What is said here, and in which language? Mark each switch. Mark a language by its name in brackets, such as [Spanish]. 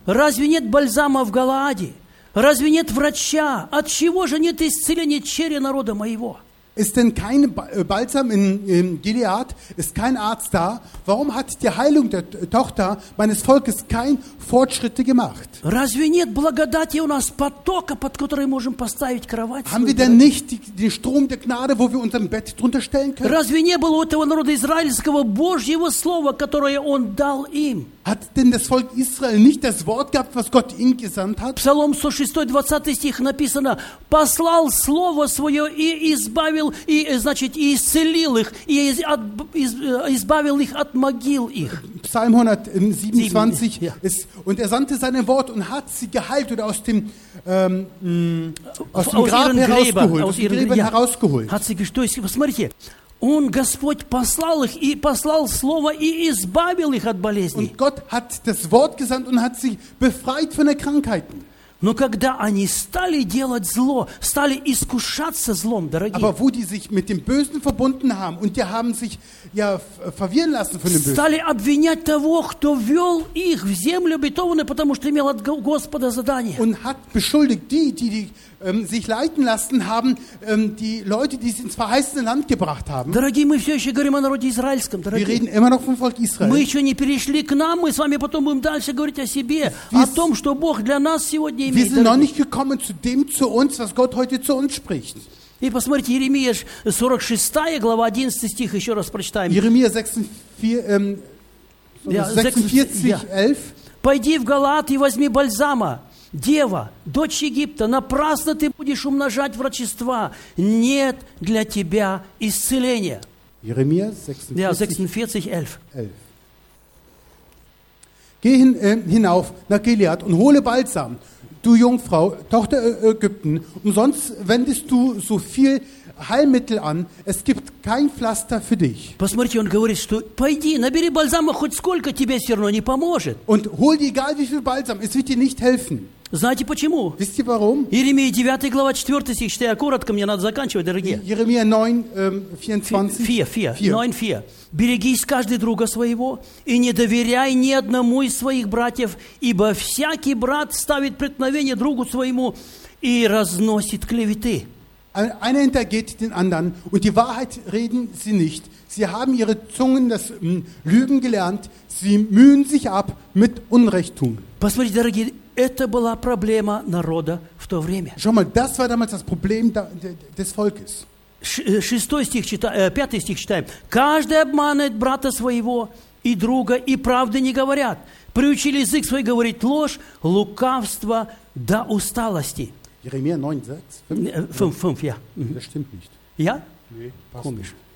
[Russian] Разве нет бальзама в Галааде? Разве нет врача? От чего же нет исцеления чрева народа моего? [German] Ist denn kein Balsam in Gilead? Ist kein Arzt da? Warum hat die Heilung der Tochter meines Volkes kein Fortschritte gemacht? [Russian] Разве нет благодати у нас потока, под который можем поставить кровать? [German] Haben wir denn nicht den Strom der Gnade, wo wir unser Bett drunter stellen können? [Russian] Разве не было у этого народа израильского Божьего слова, которое он дал им? [German] Hat denn das Volk Israel nicht das Wort gehabt, was Gott ihm gesandt hat? [Russian] Psalm 106:20 стих написано: послал слово свое и избавил и значит и исцелил их и избавил их от могил их. [German] Psalm 127, ist, und sandte sein Wort und hat sie geheilt oder aus dem Grab herausgeholt, aus ihren Gräbern herausgeholt. Hat sie gestohlen. [Russian] Посмотрите. Он Господь послал их и послал слово и избавил их от болезней. [German] Und Gott hat das Wort gesandt und hat sie befreit von der Krankheiten. [Russian] Но когда они стали делать зло, стали искушаться злом, дорогие. [German] Aber wo die sich mit dem Bösen verbunden haben und die haben sich ja verwirren lassen von dem Bösen. [Russian] Стали обвинять того, кто вёл их в землю обетованную, потому что имел от Господа задание. [German] Und hat beschuldigt die sich leiten lassen haben, die Leute, die sie ins verheißene Land gebracht haben. [Russian] Дорогие, мы всё ещё говорим о народе израильском, дорогие. [German] Wir reden immer noch vom Volk Israel. [Russian] Мы ещё не перешли к нам, мы с вами потом будем дальше говорить о себе, о том, что Бог для нас сегодня. [German] Wir sind noch nicht gekommen zu dem zu uns, was Gott heute zu uns spricht. [Russian] И посмотрите, Иеремия 46, глава 11 стих, еще раз прочитаем. Иеремия 46:11. Пойди в Галаад и возьми бальзама. Дева, дочь Египта, напрасно ты будешь умножать врачества. Нет для тебя исцеления. Иеремия 46:11. [German] Geh hinauf nach Gilead und hole Balsam, du Jungfrau, Tochter Ägypten. Umsonst wendest du so viel Heilmittel an, es gibt kein Pflaster für dich. [Russian] Посмотрите, он говорит, что пойди, набери бальзама хоть сколько, тебе все равно не поможет. [German] Und hol dir egal wie viel Balsam, es wird dir nicht helfen. [Russian] Знаете почему? [German] Wisst ihr warum? [Russian] Иеремия 9, глава 4 стих, считай, коротко, мне надо заканчивать, дорогие. Иеремия 9:4. Берегись каждый друга своего и не доверяй ни одному из своих братьев, ибо всякий брат ставит преткновение другу своему и разносит клеветы. [German] Einer hintergeht den anderen und die Wahrheit reden sie nicht. Sie haben ihre Zungen das Lügen gelernt. Sie mühen sich ab mit Unrecht tun. [Russian] Посмотрите, дорогие, это была проблема народа в то время. [German] Schau mal, das war damals das Problem des Volkes. [Russian] Пятый стих читаем. Каждый обманывает брата своего и друга, и правды не говорят. Приучили язык свой говорить ложь, лукавство до усталости. Иеремия 9:5. [German] Ja. Das stimmt nicht. Ja? Nee, komisch.